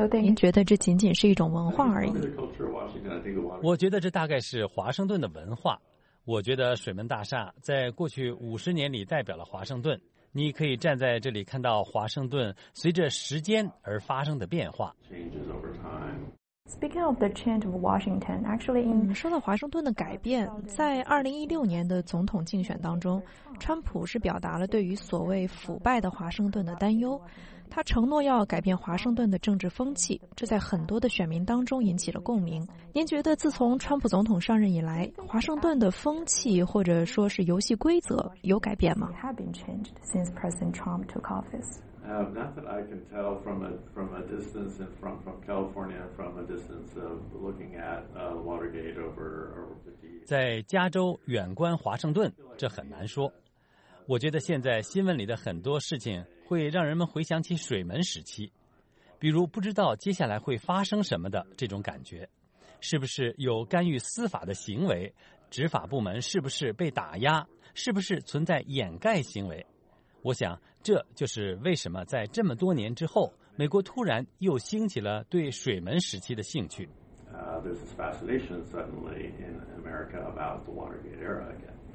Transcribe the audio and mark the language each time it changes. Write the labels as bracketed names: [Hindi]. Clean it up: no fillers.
[Chinese] 您觉得这仅仅是一种文化而已？我觉得这大概是华盛顿的文化。我觉得水门大厦在过去50年里代表了华盛顿。你可以站在这里看到华盛顿随着时间而发生的变化。 [English] Speaking of the change of Washington, actually in [Chinese] 说到华盛顿的改变，在2016年的总统竞选当中，川普是表达了对于所谓腐败的华盛顿的担忧。他承诺要改变华盛顿的政治风气，这在很多的选民当中引起了共鸣。您觉得自从川普总统上任以来，华盛顿的风气或者说是游戏规则有改变吗？ [English] Have been changed since President Trump took office. Not that I can tell from a distance and from California, from a distance of looking at Watergate over the D. [Chinese] 在加州远观华盛顿，这很难说。我觉得现在新闻里的很多事情会让人们回想起水门时期，比如不知道接下来会发生什么的这种感觉，是不是有干预司法的行为，执法部门是不是被打压，是不是存在掩盖行为。我想这就是为什么在这么多年之后，美国突然又兴起了对水门时期的兴趣。 [English] There's this fascination suddenly in America about the Watergate era again.